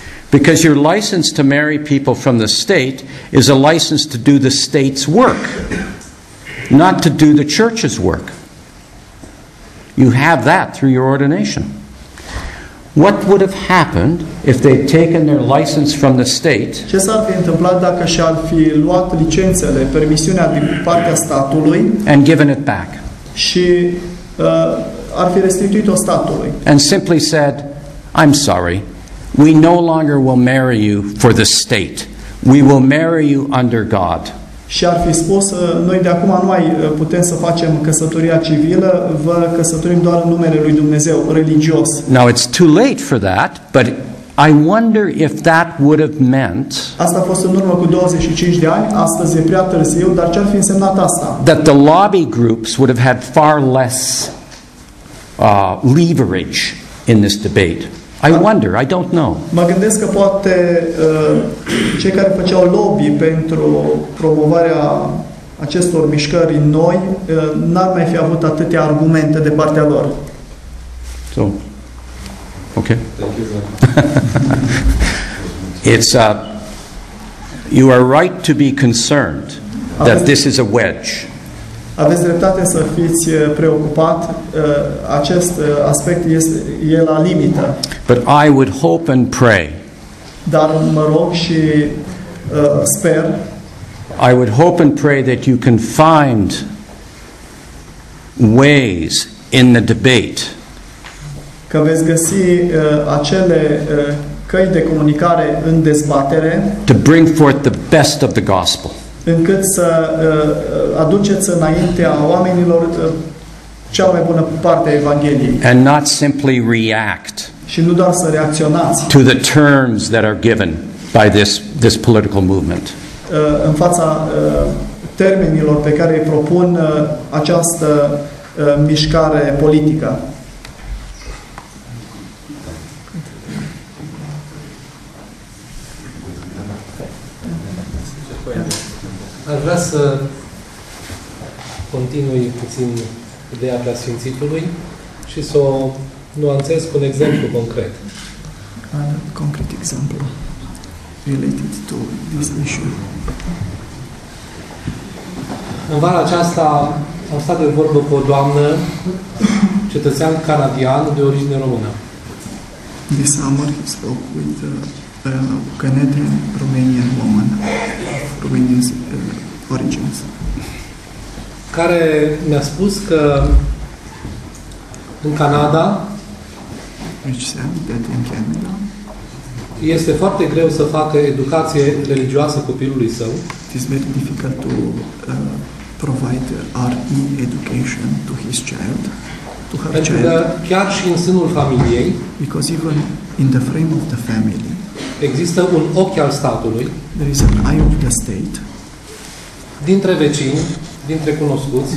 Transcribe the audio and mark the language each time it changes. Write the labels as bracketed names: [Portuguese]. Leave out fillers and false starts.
[English] Because your license to marry people from the state is a license to do the state's work, not to do the church's work. You have that through your ordination. What would have happened if they'd taken their license from the state? [Romanian] Ce s-ar fi întâmplat dacă și-ar fi luat licențele, permisiunea din partea statului? [English] And given it back. [Romanian] Și ar fi restituit-o statului. [English] And simply said, I'm sorry, we no longer will marry you for the state. We will marry you under God. [Romanian] Și ar fi spus, noi de acum nu mai putem să facem căsătoria civilă, vă căsătorim doar în numele lui Dumnezeu, religios. [English] Now it's too late for that, but I wonder if that would have meant. [Romanian] Asta a fost în urmă cu 25 de ani, astăzi e prea târziu, dar ce ar fi însemnat asta? [English] That the lobby groups would have had far less leverage in this debate. I wonder, I don't know. [Romanian] Mă gândesc că poate cei care făceau lobby pentru promovarea acestor mișcări noi n-ar mai fi avut atâtea argumente de partea lor. [English] So, okay. Thank you, sir. It's you are right to be concerned that this is a wedge. [Romanian] Aveți dreptate să fiți preocupat. Acest aspect e la limită. [English] But I would hope and pray. [Romanian] Dar mă rog și sper. [English] I would hope and pray that you can find ways in the debate. [Romanian] Că veți găsi acele căi de comunicare în dezbatere. [English] To bring forth the best of the gospel. [Romanian] Încât să aduceți înaintea oamenilor cea mai bună parte a Evangheliei. [English] And not simply react. [Romanian] Și nu doar să reacționați. [English] To the terms that are given by this political movement. [Romanian] În fața termenilor pe care îi propun această mișcare politică. Aș vrea să continui puțin ideea preasfințitului și să o nuanțez cu un exemplu concret. [English] A concret exemplu related to this issue. [Romanian] În vara aceasta am stat de vorbă cu o doamnă, cetățean canadian de origine română. [English] This summer he spoke with a Canadian Romanian woman of Romanian origins. [Romanian] Care mi-a spus că în Canada, [English] which said that in Canada [Romanian] este foarte greu să facă educație religioasă copilului său. [English] It is very difficult to provide RE education to his child, to her [Romanian] pentru [English] child. [Romanian] Pentru că chiar și în sânul familiei, [English] because even in the frame of the family, [Romanian] există un ochi al statului, [English] there is an eye of the state, [Romanian] dintre vecini, dintre cunoscuți,